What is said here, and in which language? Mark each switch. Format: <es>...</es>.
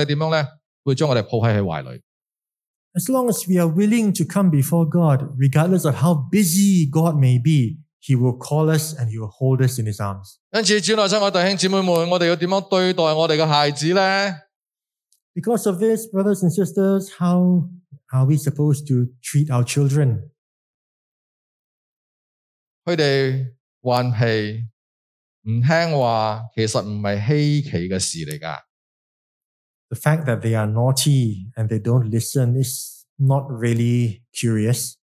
<zh>只要我们愿意来到上帝面前的时候,不理什么时候,没理时间的,不理,总之我们一有需要的时候来到上帝面前的时候,上帝怎么样呢?会将我们抱在怀里。</zh> <en>As long as we are willing to come before God, regardless of how busy God may be, He will call us and He will hold us in His arms.</en> <zh>因此,主内亲爱的弟兄姊妹们,我们要怎么对待我们的孩子呢?</zh> <en>Because of this, brothers and sisters, how are we supposed to treat our children?</en> <zh>他们顽皮,不听话,其实不是稀奇的事来的。</zh> <en>The fact that they are naughty and they don't listen is not really curious.</en>